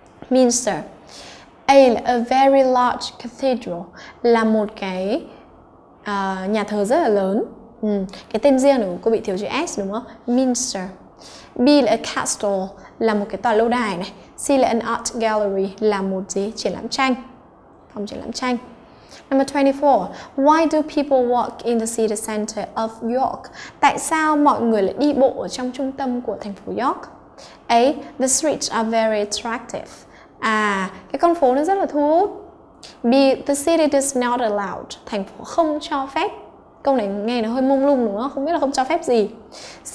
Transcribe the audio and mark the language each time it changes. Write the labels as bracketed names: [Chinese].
[Vietnamese] Minster. A là [English] a very large cathedral, [Vietnamese] là một cái nhà thờ rất là lớn. Cái tên riêng của cô bị thiếu chữ S đúng không? Minster. B là [English] a castle, [Vietnamese] là một cái tòa lâu đài này. C là [English] an art gallery, [Vietnamese] là một gì? Triển lãm tranh. Phòng triển lãm tranh. [English] Number 24. Why do people walk in the city center of York? [Vietnamese] Tại sao mọi người lại đi bộ ở trong trung tâm của thành phố York? A. [English] The streets are very attractive. [Vietnamese] Cái con phố nó rất là thu hút. B. [English] The city does not allow. [Vietnamese] Thành phố không cho phép. Câu này nghe nó hơi mông lung đúng không? Không biết là không cho phép gì. C.